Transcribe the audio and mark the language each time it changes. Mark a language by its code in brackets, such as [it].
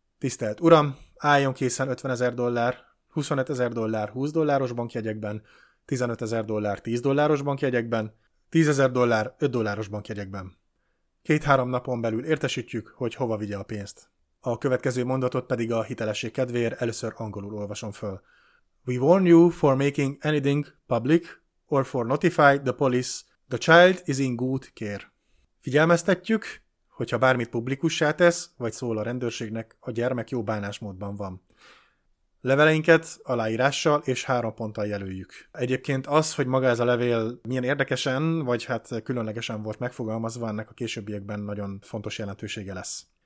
[hu] Tisztelt Uram, álljon készen 50 000 dollár, 25 000 dollár 20 dolláros bankjegyekben, 15 000 dollár 10 dolláros bankjegyekben, 10 000 dollár 5 dolláros bankjegyekben. 2-3 napon belül értesítjük, hogy hova vigye a pénzt. A következő mondatot pedig a hitelesség kedvéért először angolul olvasom föl. [en] We warn you for making anything public or for notify the police. The child is in good care. [hu] Figyelmeztetjük, hogyha bármit publikussá tesz, vagy szól a rendőrségnek, a gyermek jó bánásmódban van. Leveleinket aláírással és 3 ponttal jelöljük. Egyébként az, hogy maga ez a levél milyen érdekesen, vagy hát különlegesen volt megfogalmazva, ennek a későbbiekben nagyon fontos jelentősége lesz.